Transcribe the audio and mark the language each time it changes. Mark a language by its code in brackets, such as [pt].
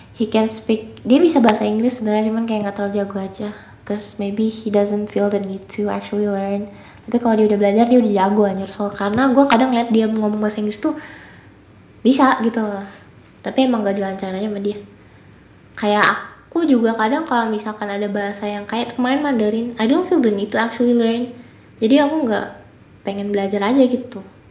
[en] He can speak, [id] dia bisa bahasa Inggris sebenarnya, cuman kayak gak terlalu jago aja. [en] Cause maybe he doesn't feel the need to actually learn. [id] Tapi kalau dia udah belajar, dia udah jago anjir. So, karena gue kadang liat dia ngomong bahasa Inggris tuh bisa gitu loh. Tapi emang gak dilancarin aja sama dia. Kayak aku juga kadang kalau misalkan ada bahasa yang kayak kemarin Mandarin, [en] I don't feel the need to actually learn. [id] Jadi aku gak pengen belajar aja gitu.